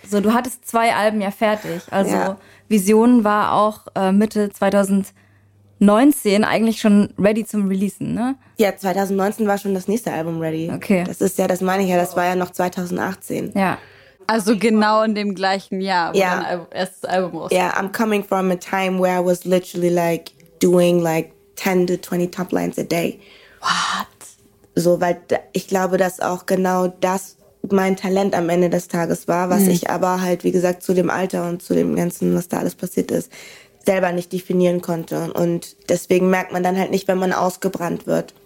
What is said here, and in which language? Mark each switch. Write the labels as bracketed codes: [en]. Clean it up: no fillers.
[de] So, du hattest 2 Alben ja fertig. Also Vision war auch Mitte 2019 eigentlich schon ready zum Releasen, ne? Ja, 2019 war schon das nächste Album ready. Okay. Das ist ja, das meine ich ja, das war ja noch 2018. Ja. Also genau in dem gleichen Jahr, wo dein erstes Album rauskam. [en] Yeah, I'm coming from a time where I was literally like doing like 10 to 20 top lines a day. What? [de] So, weil ich glaube, dass auch genau das mein Talent am Ende des Tages war, was ich aber halt, wie gesagt, zu dem Alter und zu dem Ganzen, was da alles passiert ist, selber nicht definieren konnte. Und deswegen merkt man dann halt nicht, wenn man ausgebrannt wird.